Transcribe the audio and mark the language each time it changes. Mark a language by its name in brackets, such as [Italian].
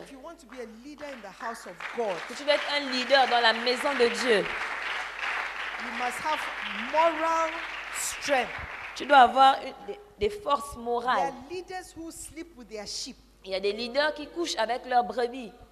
[English] If you want to be a leader in the house of God. [French] Si tu veux être un leader dans la maison de Dieu. [English] You must have moral strength. [French] Tu dois avoir des forces morales. [English] There are leaders who sleep with their sheep. [French] Il y a des leaders qui couchent avec leurs brebis.